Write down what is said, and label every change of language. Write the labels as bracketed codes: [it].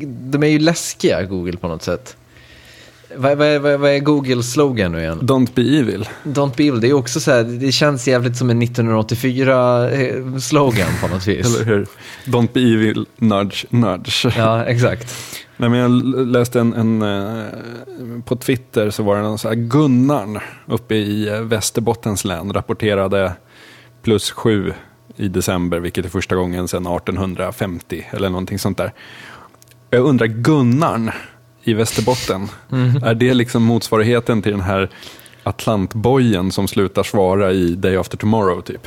[sv] De är ju läskiga, Google, på något sätt. Vad är Googles slogan nu igen? [en] Don't be evil. Don't be evil, [sv] det är också så här, det känns jävligt som en 1984 slogan på något vis. Eller hur? [en] Don't be evil, nudge, nudge. [sv] Ja, exakt. Nej, men jag läste en på Twitter, så var det någon så här, Gunnarn uppe i Västerbottens län rapporterade +7 i december, vilket är första gången sedan 1850 eller någonting sånt där. Jag undrar, Gunnarn i Västerbotten. Är det liksom motsvarigheten till den här Atlantbojen som slutar svara i Day After Tomorrow, typ?